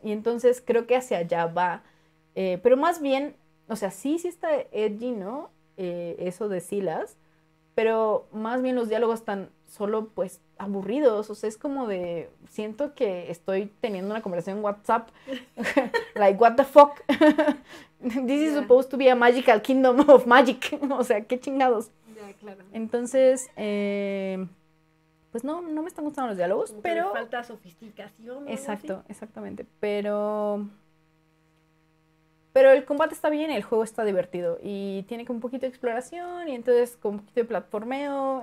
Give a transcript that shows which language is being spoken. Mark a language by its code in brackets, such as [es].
[es] Y entonces creo que hacia allá va, pero más bien, o sea, sí está edgy, ¿no? Eso de Silas, pero más bien los diálogos están solo pues aburridos, o sea, es como de, siento que estoy teniendo una conversación en WhatsApp, [en] like, what the fuck? This is supposed to be a magical kingdom of magic. [es] O sea, qué chingados. Ya, claro. Entonces, pues no, no me están gustando los diálogos, como pero... falta sofisticación. Exacto, exactamente. Pero el combate está bien, el juego está divertido. Y tiene como un poquito de exploración, y entonces como un poquito de platformeo.